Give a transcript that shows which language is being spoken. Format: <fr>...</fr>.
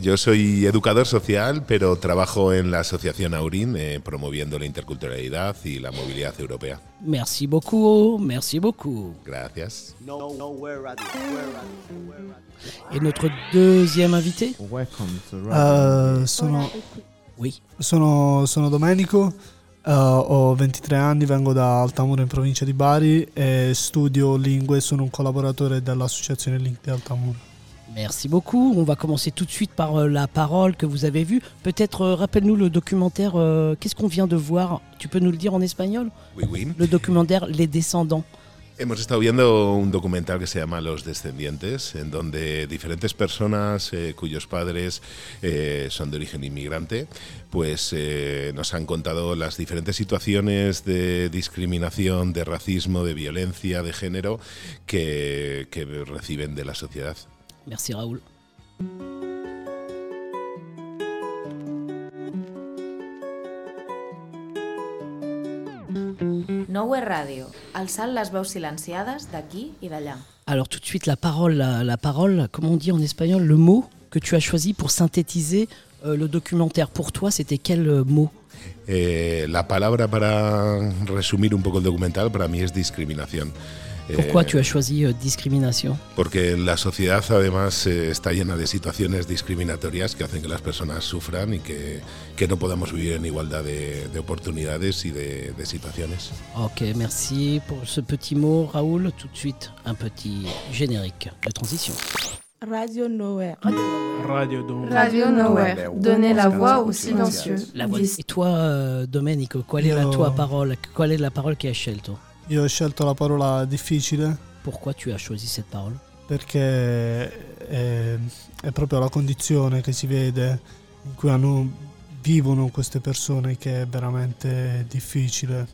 <es>Yo soy educador social, pero trabajo en la asociación Aurín, promoviendo la interculturalidad y la movilidad europea.</es> <fr>Merci beaucoup, merci beaucoup.</fr> <es>Gracias. No, no,</es> <en>where are you? Where are you? Where are you?</en> <fr>Et notre deuxième invité ?</fr> <en>Welcome to</en> <it>sono...</it> <fr>Oui.</fr> <it>Sono Domenico. Ho 23 anni, vengo da Altamura in provincia di Bari e studio lingue, sono un collaboratore dell'associazione Link di Altamura.</it> <fr>Merci beaucoup, on va commencer tout de suite par la parole que vous avez vue. Peut-être rappelle-nous le documentaire, qu'est-ce qu'on vient de voir ? Tu peux nous le dire en espagnol ? Oui, oui. Le documentaire Les Descendants.</fr> <es>Hemos estado viendo un documental que se llama Los Descendientes, en donde diferentes personas cuyos padres son de origen inmigrante, pues nos han contado las diferentes situaciones de discriminación, de racismo, de violencia, de género que reciben de la sociedad.</es> <fr>Merci Raúl.</fr> <ca>Nowhere Radio, alçant les veus silenciades d'aquí i d'allà.</ca> <fr>Alors tout de suite la parole, comment on dit en espagnol, le mot que tu as choisi pour synthétiser le documentaire. Pour toi, c'était quel mot ?</fr> <es>La palabra para resumir un poco el documental para mí es discriminación.</es> <fr>Pourquoi tu as choisi discrimination ?</fr> <es>Porque la sociedad además está llena de situaciones discriminatorias que hacen que las personas sufran y que no podamos vivir en igualdad de oportunidades y de situaciones.</es> <fr>Ok, merci pour ce petit mot, Raoul. Tout de suite, un petit générique de transition.</fr> <en>Radio Nowhere. Radio Nowhere. Radio Nowhere.</en> <fr>Donner la voix au silencieux. La voix. Et toi, Domenico, quelle est la tua parole ? Quelle est la parole qui</fr> <it>a scelto ? Io ho scelto la parola difficile.</it> <fr>Pourquoi tu as choisi cette parole?</fr> <it>Perché è proprio la condizione che si vede in cui vivono queste persone che è veramente difficile.</it>